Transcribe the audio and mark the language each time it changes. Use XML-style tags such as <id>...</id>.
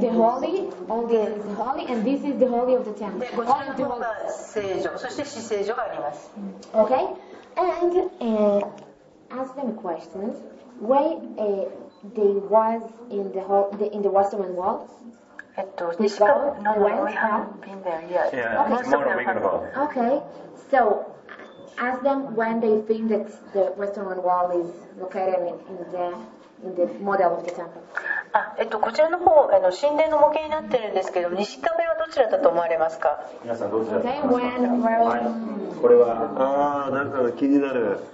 <en>The holy, all the holy, and this is the holy of the temple.</en> <ja>こちらの方が聖所、そして至聖所があります。</ja> <en>Okay. And ask them questions. Why they was in the whole in the Western wall? This wall? No, we haven't been there yet. Yeah, okay. Tomorrow we're gonna go. Okay, so ask them when they think that the Western wall is located in the model of the temple.</en> <ja>こちらの方神殿の模型になってるんですけど、西壁はどちらだと思われますか？皆さんどちらだと思いますか？これはなんか気になる。</ja>